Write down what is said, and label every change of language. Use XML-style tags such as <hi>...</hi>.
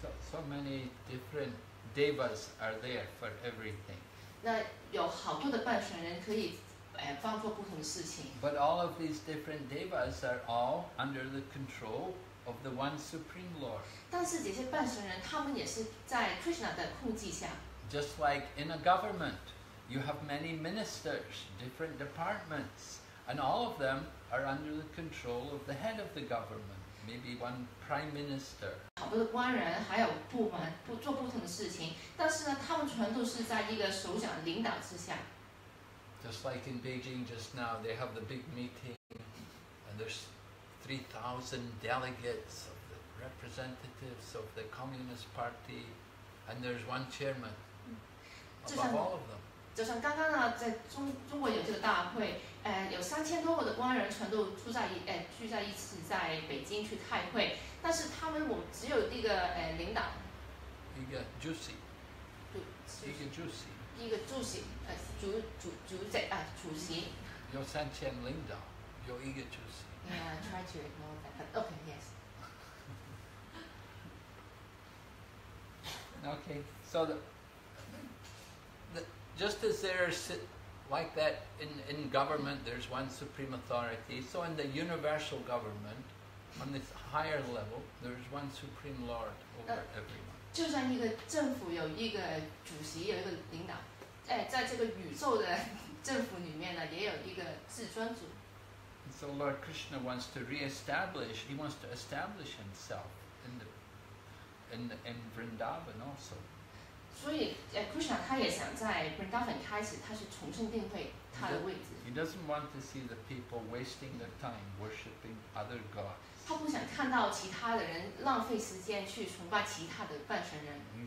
<en>So many different devas are there for everything.</en> <zh>那有好多的半神人可以帮做不同的事情。</zh> <en>But all of these different devas are all under the control of the one Supreme Lord.</en> <zh>但是这些半神人，他们也是在Krishna的控制下。</zh> <en>Just like in a government, you have many ministers, different departments, and all of them are under the control of the head of the government, maybe one prime minister.</en> <zh>好多的官人还有部门做不同的事情，但是呢，他们全都是在一个首长领导之下。</zh> <en>Just like in Beijing just now, they have the big meeting, and there's 3,000 delegates of the representatives of the Communist Party, and there's one chairman above all of them.</en> <zh>就像刚刚呢，在中国有这个大会，有3000多个的官员全都住在一，聚在一起在北京去开会，但是他们我只有一个领导，一个主席，主席，有3000领导，有一个主席。</zh> <en>Yeah, try to ignore that. Okay, yes. Okay, so just as there's like that in government, there's one supreme authority. So in the universal government, on this higher level, there's one supreme lord over everyone.</en> <zh>就算一个政府有一个主席，有一个领导，在这个宇宙的政府里面呢，也有一个至尊主。</zh> <en>So Lord Krishna wants to reestablish. He wants to establish himself in Vrindavan also.</en> <zh>所以，Krishna 他也想在 Vrindavan 开始，他是重新定位他的位置。</zh> <en>He doesn't want to see the people wasting their time worshipping other gods.</en> <zh>他不想看到其他的人浪费时间去崇拜其他的半神人。</zh>